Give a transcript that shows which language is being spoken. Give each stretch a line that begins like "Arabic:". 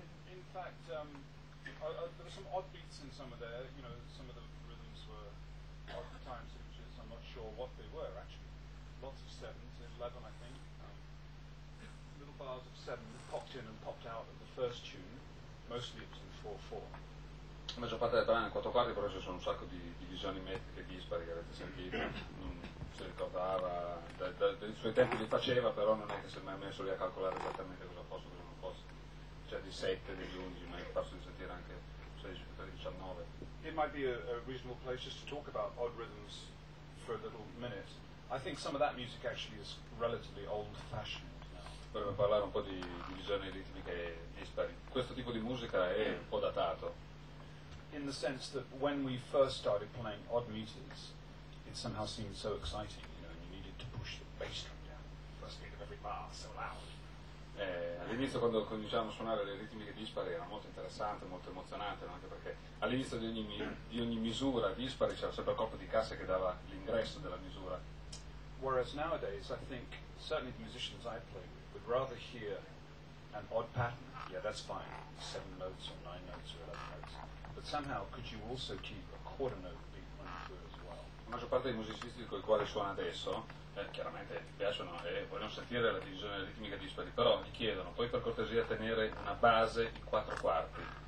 English: In fact, there were some odd beats in some of there, you know, some of the rhythms were odd time signatures, I'm not sure what they were actually. Lots of sevens, 11 I think. Little bars of seven popped in and popped out of the first tune, mostly it was in 4-4.
Italian: La maggior parte del brano è in 4 quarti, però ci sono un sacco di divisioni metriche dispari che avete sentito. Non si ricordava, dai suoi tempi li faceva, però non è che si è mai messo lì a calcolare esattamente cosa fosse, cosa non fosse. Cioè di 7, degli 11, ma è parso di sentire anche 16, 19.
English: It might be a reasonable place just to talk about odd rhythms for a little minute. I think some of that music actually is relatively old fashioned.
Italian: Vorremmo parlare un po' di divisioni ritmiche dispari. Questo tipo di musica è un po' datato.
English: In the sense that when we first started playing odd meters, it somehow seemed so exciting, you know, and you needed to push the bass drum down, first beat of every bar, so loud.
Italian: All'inizio quando cominciavamo a suonare le ritmiche dispari era molto interessante, molto emozionante, no? Anche perché all'inizio di ogni misura dispari c'era sempre il colpo di cassa che dava l'ingresso della misura.
English: Whereas nowadays I think certainly the musicians I play with would rather hear an odd pattern, yeah that's fine, 7 notes or 9 notes or 11 notes, but somehow could you also keep a quarter note beat running through as well?
Italian: La maggior parte dei musicisti con i quali suono adesso, chiaramente piacciono e vogliono sentire la divisione ritmica dispari, però gli chiedono, puoi per cortesia tenere una base in 4 quarti?